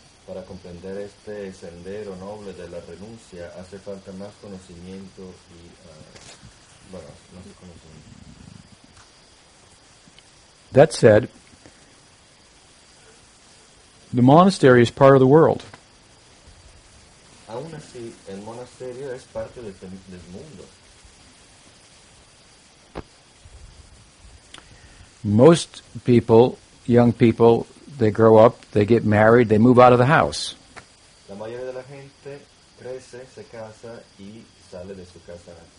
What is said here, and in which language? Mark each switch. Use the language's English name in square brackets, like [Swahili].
[Spanish] Para comprender este sendero noble de la renuncia, hace falta más conocimiento y, más conocimiento. [English] That said, the monastery is part of the world. [Spanish] Aún así, el monasterio es parte del mundo. [English] Most people, young people, they grow up, they get married, they move out of the house. [Spanish] La mayoría de la gente crece, se casa y sale de su casa.